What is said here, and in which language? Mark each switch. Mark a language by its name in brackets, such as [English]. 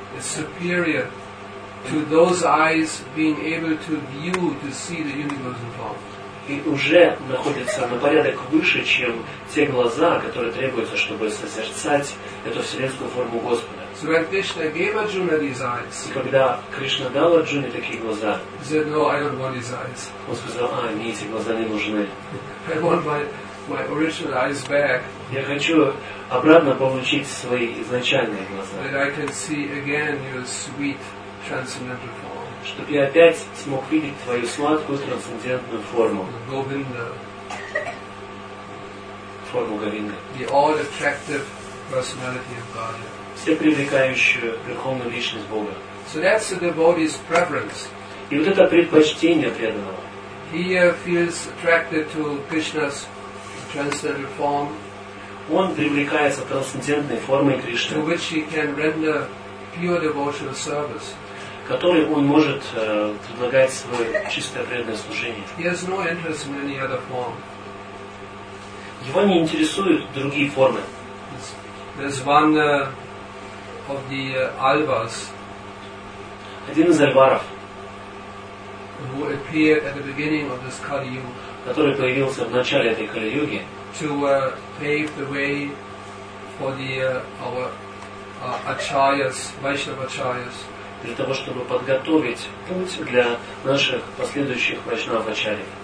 [English] is superior to those eyes being able to view, to see the universal form. [Russian] И уже находится на порядок выше, чем те глаза, которые требуются, чтобы созерцать эту вселенскую форму Господа. [English] So when Krishna gave Arjuna these eyes, [Russian] и когда Кришна дал Арджуне такие глаза, [English] he said, no, I don't want these eyes. [Russian] Он сказал, а, мне эти глаза не нужны. [English] I want my original eyes back. [Russian] Я хочу обратно получить свои изначальные глаза. [English] That I can see again your sweet transcendental form. [Russian] Чтобы я опять смог видеть твою сладкую трансцендентную форму. [English] Govinda. [Russian] Форму Говинда. [English] The all-attractive personality of Godhead. [Russian] Все привлекающую верховную личность Бога. [English] So that's the devotee's preference. [Russian] И вот это предпочтение преданного. [English] He feels attracted to Krishna's transcendental form. [Russian] Он привлекается трансцендентной формой Кришны. [English] To which he can render pure devotional service. [Russian] Который он может предлагать свое чистое преданное служение. [English] He has no interest in any other form. [Russian] Его не интересуют другие формы. [English] There's one of the Alvars. [Russian] Один из Альваров. [English] Who appeared at the beginning of this Kali Yuga. [Russian] Который появился в начале этой Кали-Юги. [English] To pave the way for the our Acharyas, Vaishnava Acharyas. [Russian] Для того, чтобы подготовить путь для наших последующих вайшнав-ачарий.